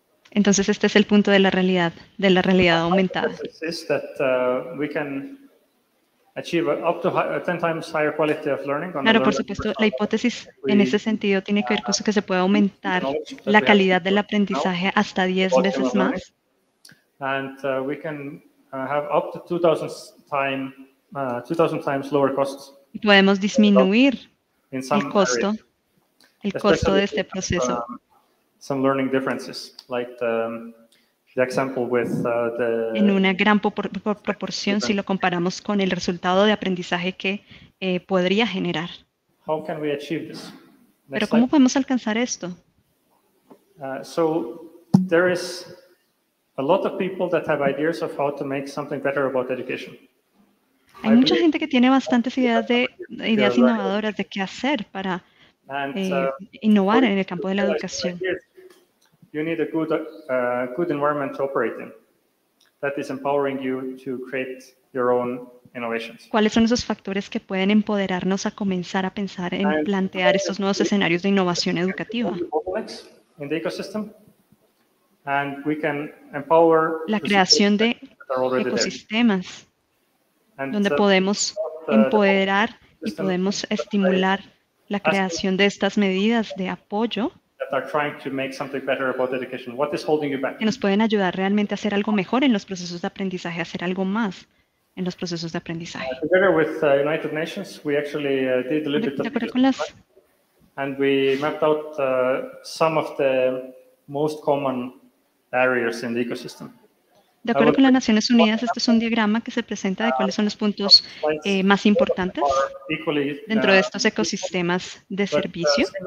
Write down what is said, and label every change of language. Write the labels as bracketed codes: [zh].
[es] Entonces este es el punto de la realidad aumentada. [en] Is that we can achieve up to 10 times higher quality of learning. [es] Claro, por supuesto, la hipótesis en ese sentido tiene que ver con eso, que se puede aumentar la calidad del aprendizaje hasta 10 veces más. [en] And we can have up to 2,000 times lower costs. [es] Y podemos disminuir el costo de este proceso. [en] Some learning differences, like the example with the. [es] En una gran proporción, si lo comparamos con el resultado de aprendizaje que podría generar. [en] How can we achieve this? [es] Pero ¿cómo podemos alcanzar esto? [en] So there is a lot of people that have ideas of how to make something better about education. [es] Hay mucha gente que tiene bastantes ideas innovadoras de qué hacer para innovar en el campo de la educación. [en] You need a good environment to operate in that is empowering you to create your own innovations. [es] ¿Cuáles son esos factores que pueden empoderarnos a comenzar a pensar en plantear estos nuevos escenarios de innovación educativa? [en] In the ecosystem, and we can empower [es] la creación de ecosistemas donde podemos empoderar y podemos estimular la creación de estas medidas de apoyo que nos pueden ayudar realmente a hacer algo mejor en los procesos de aprendizaje, hacer algo más en los procesos de aprendizaje. [en] Together with the United Nations, we actually did a little bit of and we mapped out some of the most common barriers in the ecosystem. [es] De acuerdo con las Naciones Unidas, este es un diagrama que se presenta de cuáles son los puntos más importantes dentro de estos ecosistemas de servicio.